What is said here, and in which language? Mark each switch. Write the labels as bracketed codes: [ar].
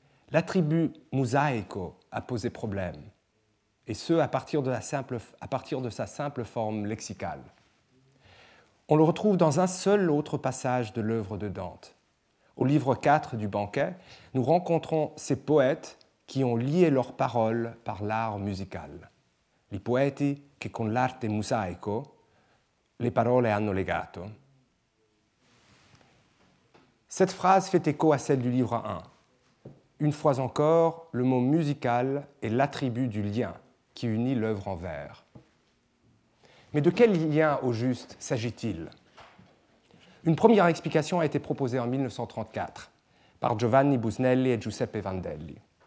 [fr] L'attribut mosaico a posé problème, et ce à partir de sa simple forme lexicale. On le retrouve dans un seul autre passage de l'œuvre de Dante. Au livre 4 du banquet, nous rencontrons ces poètes qui ont lié leurs paroles par l'art musical. [it] I poeti che con l'arte mosaico le parole hanno legato. [fr] Cette phrase fait écho à celle du livre 1. Une fois encore, le mot musical est l'attribut du lien qui unit l'œuvre en vers. Mais de quel lien au juste s'agit-il? Une première explication a été proposée en 1934 par Giovanni Busnelli et Giuseppe Vandelli.